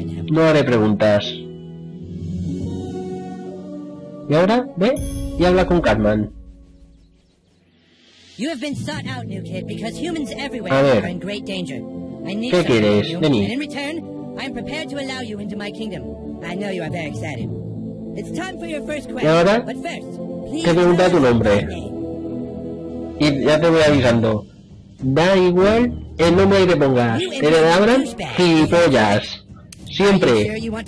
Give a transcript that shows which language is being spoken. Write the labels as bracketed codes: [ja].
[es] No haré preguntas. Y ahora, ve y habla con Cartman. [en] You have been sought out, new kid, because humans everywhere are in great danger. I need [es] ¿qué quieres? Vení. [en] And in return, I am prepared to allow you into my kingdom. I know you are very excited. It's time for your first quest. [es] Y ahora, te pregunta tu nombre. Y ya te voy avisando. Da igual el nombre que pongas. Te le abran gilipollas. Siempre.